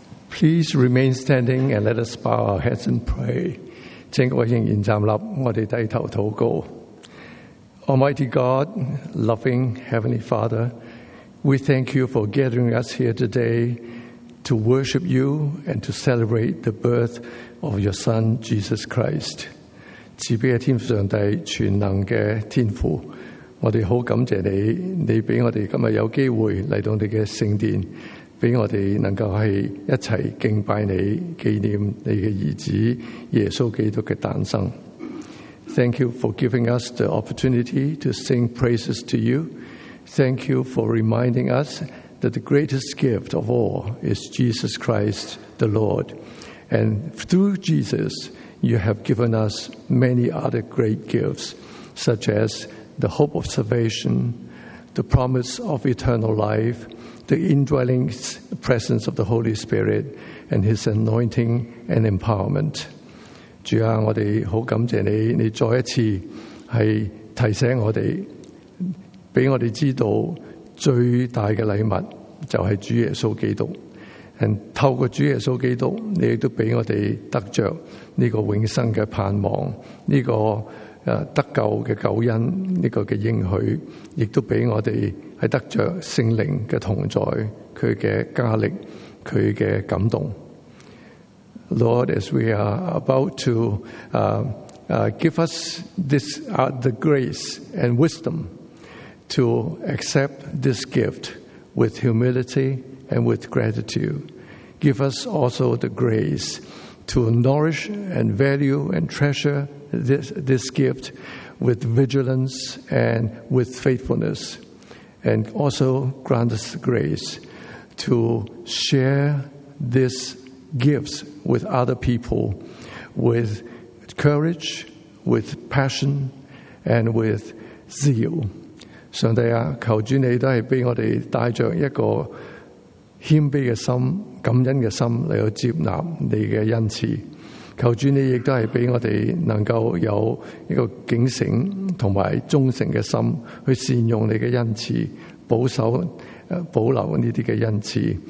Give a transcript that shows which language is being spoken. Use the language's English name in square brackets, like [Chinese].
[English] Please remain standing and let us bow our heads and pray. [Chinese] 请各位仍然站立，我们低头祷告。 [English] Almighty God, loving Heavenly Father, we thank you for gathering us here today to worship you and to celebrate the birth of your Son, Jesus Christ. [Chinese] 慈悲的天父上帝，全能的天父，我们好感谢你，你给我们今天有机会来到你的圣殿，给我们能够一起敬拜你，纪念你的儿子耶稣基督的诞生。 [English] Thank you for giving us the opportunity to sing praises to you. Thank you for reminding us that the greatest gift of all is Jesus Christ, the Lord. And through Jesus, you have given us many other great gifts, such as the hope of salvation, the promise of eternal life, the indwelling presence of the Holy Spirit, and his anointing and empowerment. [Chinese] 主啊，我们好感谢你，你再一次是提醒我们，给我们知道最大的礼物就是主耶稣基督。 [English] And [Chinese] 透过主耶稣基督，你也给我们得着这个永生的盼望，这个得救的救恩，这个的应许，也给我们得着圣灵的同在，祂的加力，祂的感动。 [English] Lord, as we are about to give us this, the grace and wisdom to accept this gift with humility and with gratitude, give us also the grace to nourish and value and treasure this gift with vigilance and with faithfulness, and also grant us the grace to share this gifts with other people with courage, with passion, and with zeal. [Chinese] 上帝啊，求主你都是给我们带着一个谦卑的心，感恩的心来接纳你的恩赐。求主你也都是给我们能够有一个警醒和忠诚的心去善用你的恩赐，保守保留这些的恩赐。